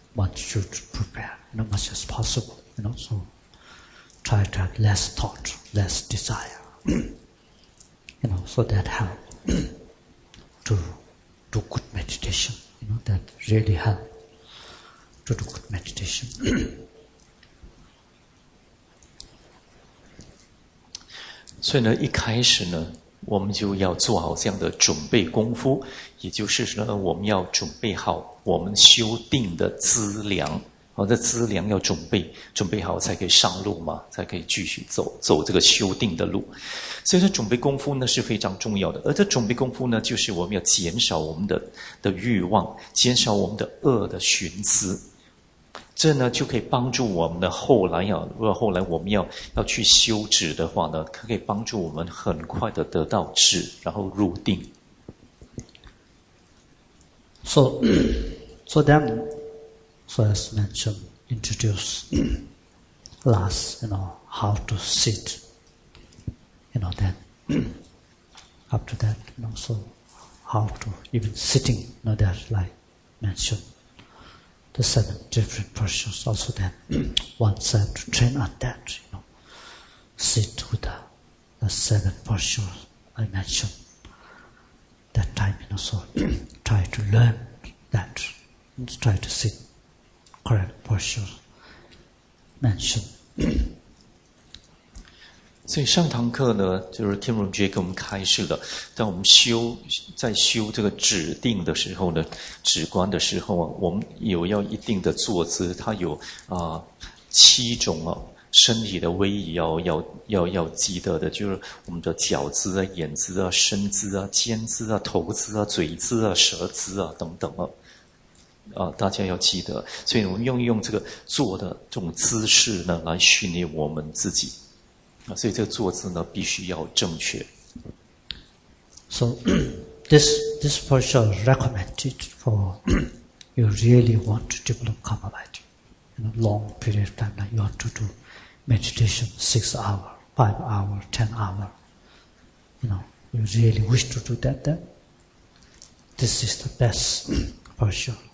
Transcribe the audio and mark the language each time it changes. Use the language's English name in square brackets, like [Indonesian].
[English] One should prepare, you know, much as possible, you know, so try to have less thought, less desire, you know, so that help to do good meditation, you know, that really help to do good meditation. [Chinese] 所以呢，一开始呢，我们就要做好这样的准备功夫，也就是呢，我们要准备好我们修定的资粮，这资粮要准备好才可以上路嘛，才可以继续走这个修定的路。所以这准备功夫呢是非常重要的，而这准备功夫呢就是我们要减少我们的欲望，减少我们的恶的寻思，这呢就可以帮助我们的后来要，如果后来我们要去修止的话呢，可以帮助我们很快的得到止，然后入定。 [English] So, so then, so as mentioned, introduce last, you know, how to sit, you know, then, after that, you know, so how to, even sitting, you know, that like mentioned, the seven different postures also then, once I have to train on that, you know, sit with the seven postures I mentioned, that time, you know, so try to learn,that, and try to sit correct posture mentioned. [Chinese] 所以上堂课呢，就是天荣爵给我们开示的，当我们修，在修这个止定的时候呢，止观的时候啊，我们有要一定的坐姿，它有七种啊身体的威仪要记得的，就是我们的脚姿啊、眼姿啊、身姿啊、肩姿啊、头姿啊、嘴姿啊、舌姿啊等等啊。大家要记得，所以我们用这个坐的这种姿势呢，来训练我们自己。所以这个坐姿呢，必须要正确。 [English] So this for sure recommended for you really want to develop karma light. In a long period of time, like you want to do meditation 6 hours, 5 hours, 10 hours. You know, you really wish to do that. Then this is the best for sure.